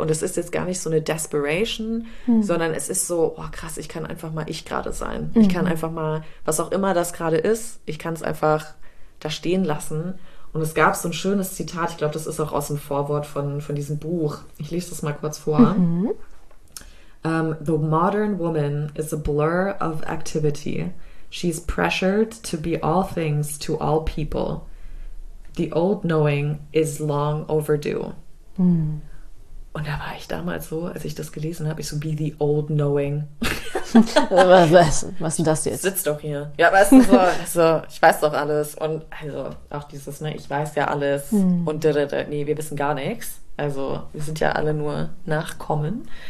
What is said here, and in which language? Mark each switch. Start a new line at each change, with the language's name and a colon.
German: Und es ist jetzt gar nicht so eine Desperation, sondern es ist so, oh krass, ich kann einfach mal ich gerade sein. Mhm. Ich kann einfach mal, was auch immer das gerade ist, ich kann es einfach da stehen lassen. Und es gab so ein schönes Zitat, ich glaube, das ist auch aus dem Vorwort von diesem Buch. Ich lese das mal kurz vor.
English: The modern woman is a blur of activity. She's pressured to be all things to all people. The old knowing is long overdue. Hm.
German: Und da war ich damals so, als ich das gelesen habe, ich so,
English: be the old knowing.
German: was denn das jetzt? Sitz doch hier. Ja, weißt du, so, ich weiß doch alles. Und also auch dieses, ne, ich weiß ja alles. Hm. Und nee, wir wissen gar nichts. Also wir sind ja alle nur Nachkommen.